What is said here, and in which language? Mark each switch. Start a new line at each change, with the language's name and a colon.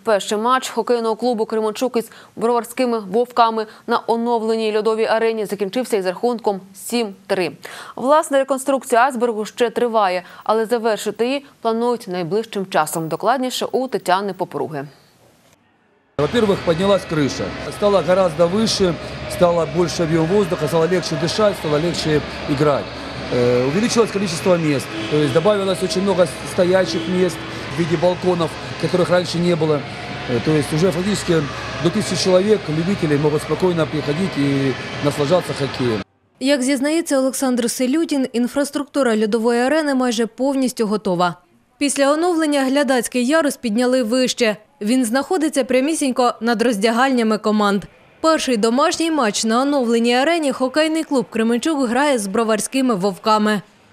Ukrainian: Перший матч хокейного клубу «Кременчук» із броварськими «Вовками» на оновленій льодовій арені закінчився із рахунком 7-3. Власне, реконструкція айсбергу ще триває, але завершити її планують найближчим часом. Докладніше у Тетяни Попруги.
Russian: Во-первых, поднялась крыша. Стало гораздо выше, стало больше объем воздуха, стало легче дышать, стало легче играть. Увеличилось количество мест, то есть добавилось очень много стоячих мест в виде балконов, которых раньше не было. То есть уже фактически до 1000 человек, любителей, могут спокойно приходить и наслаждаться хоккеем.
Ukrainian: Як зізнається Олександр Селютін, інфраструктура льодової арени майже повністю готова. Після оновлення глядацький ярус підняли вище. Він знаходиться прямісінько над роздягальнями команд. Перший домашній матч на оновленій арені хокейний клуб «Кременчук» грає з броварськими «Вовками».